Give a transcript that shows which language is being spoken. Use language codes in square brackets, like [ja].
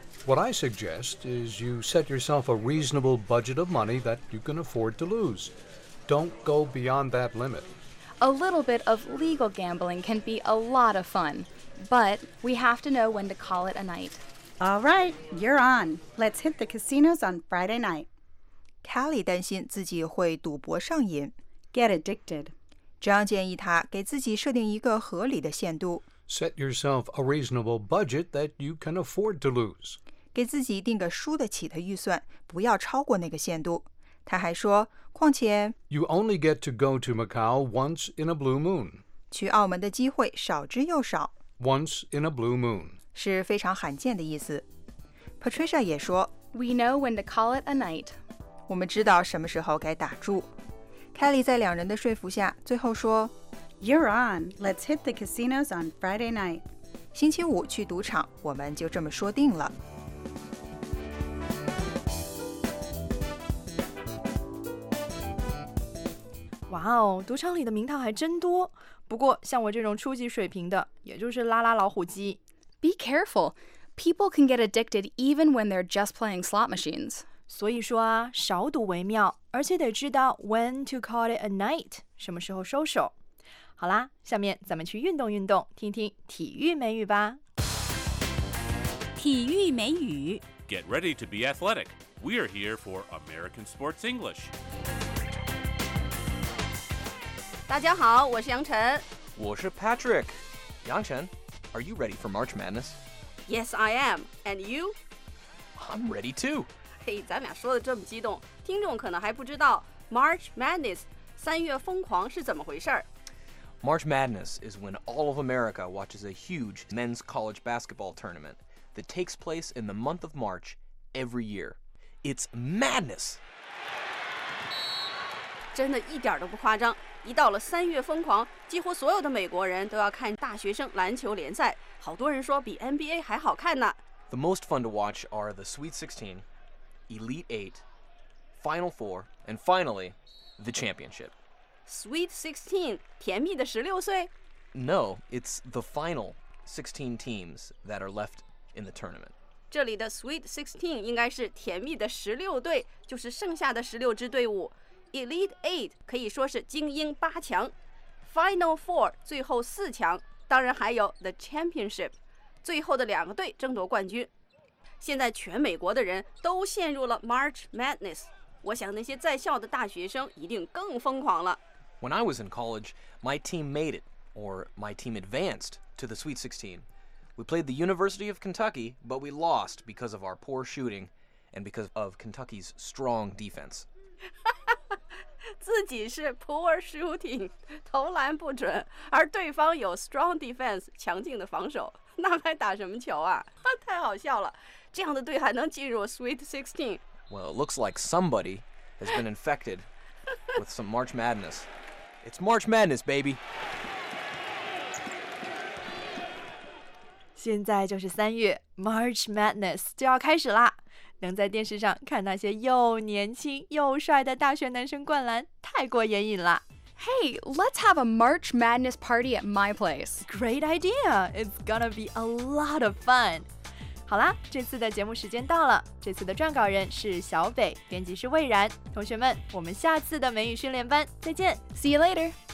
[en] What I suggest is you set yourself a reasonable budget of money that you can afford to lose. Don't go beyond that limit. A little bit of legal gambling can be a lot of fun, but we have to know when to call it a night. All right, you're on. Let's hit the casinos on Friday night. [zh] Kelly 担心自己会赌博上瘾 [en] Get addicted. [zh] John 建议他给自己设定一个合理的限度 [en] Set yourself a reasonable budget that you can afford to lose. [zh] 给自己定个输得起的预算，不要超过那个限度。他还说，况且 [en] You only get to go to Macau once in a blue moon. [zh] 去澳门的机会少之又少。 [en] Once in a blue moon. [zh] 是非常罕见的意思。 Patricia 也说 [en] We know when to call it a night. [zh] 我们知道什么时候该打住。Kelly 在两人的说服下最后说 [en] You're on. Let's hit the casinos on Friday night. [zh] 星期五去赌场，我们就这么说定了。哇哦，赌场里的名堂还真多。不过像我这种初级水平的，也就是拉拉老虎机。 [en] Be careful. People can get addicted even when they're just playing slot machines. [zh] 所以说啊，少赌为妙，而且得知道 [en] when to call it a night, [zh] 什么时候收手。好啦，下面咱们去运动运动，听听体育美语吧。体育美语。 [en] Get ready to be athletic. We are here for American Sports English. [zh] 大家好，我是杨晨。我是 [en] Patrick。杨晨 ，Are you ready for March Madness? Yes, I am. And you? I'm ready too. [zh] 嘿，咱俩说的这么激动，听众可能还不知道 March Madness 三月疯狂是怎么回事。 [en] March Madness is when all of America watches a huge men's college basketball tournament that takes place in the month of March every year. It's madness. [zh] 真的一点都不夸张。一到了三月疯狂，几乎所有的美国人都要看大学生篮球联赛，好多人说比 NBA 还好看呢。 [en] The most fun to watch are the Sweet 16, Elite 8, Final 4, and finally, the Championship. [zh] Sweet 16, 甜蜜的16岁? [en] No, it's the final 16 teams that are left in the tournament. [zh] 这里的 Sweet 16应该是甜蜜的16队，就是剩下的16支队伍。 Elite Eight 可以说是精英八强 ，Final Four 最后四强，当然还有 The Championship， 最后的两个队争夺冠军。现在全美国的人都陷入了 March Madness， 我想那些在校的大学生一定更疯狂了。 [en] When I was in college, my team made it, or my team advanced to the Sweet 16. We played the University of Kentucky, but we lost because of our poor shooting and because of Kentucky's strong defense. [zh] 自己是 poor shooting, 投篮不准，而对方有 strong defense, 强劲的防守，那还打什么球啊？太好笑了，这样的队还能进入 Sweet 16? [en] Well, it looks like somebody has been infected with some March Madness. It's March Madness, baby! [zh] 现在就是三月， March Madness 就要开始啦。能在电视上看那些又年轻又帅的大学男生灌篮，太过眼瘾了。 [en] Hey, let's have a March Madness party at my place. Great idea! It's gonna be a lot of fun. [zh] 好啦，这次的节目时间到了。这次的撰稿人是小北，编辑是蔚然。同学们，我们下次的美语训练班再见。 [en] See you later.